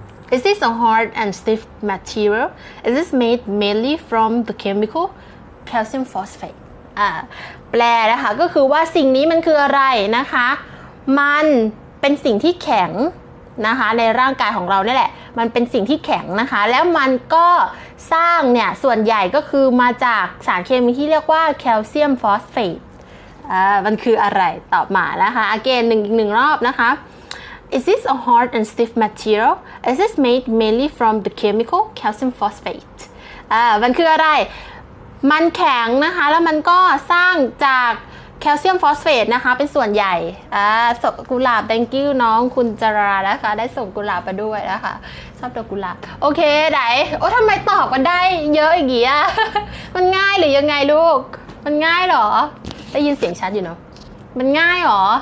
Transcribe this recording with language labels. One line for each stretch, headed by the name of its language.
English: Is this a hard and stiff material? Is this made mainly from the chemical calcium phosphate?
Thai: แปลนะคะก็คือว่าสิ่งนี้มันคืออะไรนะคะมันเป็นสิ่งที่แข็งนะคะในร่างกายของเราเนี่ยแหละมันเป็นสิ่งที่แข็งนะคะแล้วมันก็สร้างเนี่ยส่วนใหญ่ก็คือมาจากสารเคมีที่เรียกว่าแคลเซียมฟอสเฟตมันคืออะไรตอบมานะคะ again หนึ่งรอบนะคะ
English: Is this a hard and stiff material? Is this made mainly from the chemical calcium phosphate?
Thai: มันคืออะไรมันแข็งนะคะแล้วมันก็สร้างจากแคลเซียมฟอสเฟตนะคะเป็นส่วนใหญ่กุหลาบ thank you น้องคุณจรานะคะได้ส่งกุหลาบมาด้วยนะคะชอบดอกกุหลาบโอเคไหนโอ้ทำไมตอบกันได้เยอะอย่างงี้อ่ะมันง่ายหรือยังไงลูกมันง่ายหรอได้ยินเสียงชัดอยู่เนาะมันง่ายหร